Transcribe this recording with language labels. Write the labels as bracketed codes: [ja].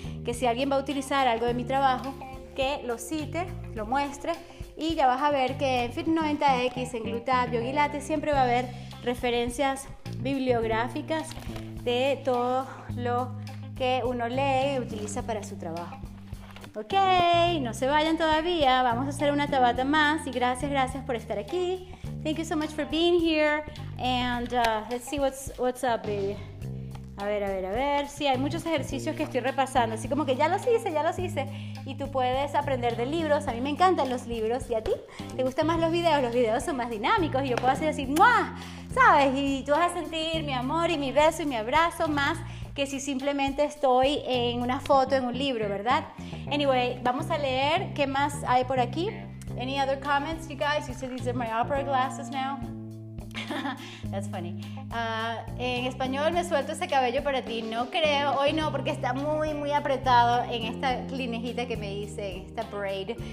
[es] Que si alguien va a utilizar algo de mi trabajo, que lo cite, lo muestre y ya vas a ver que en Fit90X, en Glutab, Yogi Lattes, siempre va a haber referencias bibliográficas de todo lo que uno lee y utiliza para su trabajo. Ok, no se vayan todavía, vamos a hacer una tabata más y gracias por estar aquí. [en] Thank you so much for being here and let's see what's up, baby. [es] A ver, sí, hay muchos ejercicios que estoy repasando, así como que ya los hice y tú puedes aprender de libros. A mí me encantan los libros, ¿y a ti? ¿Te gustan más los videos? Los videos son más dinámicos y yo puedo hacer así, ¡muah! ¿Sabes? Y tú vas a sentir mi amor y mi beso y mi abrazo más que si simplemente estoy en una foto, en un libro, ¿verdad? Anyway, vamos a leer qué más hay por aquí. [en] Any other comments, you guys? You said these are my opera glasses now. That's funny. [es] En español, me suelto ese cabello para ti. No creo, hoy no, porque está muy, muy apretado en esta linejita que me hice, en esta braid.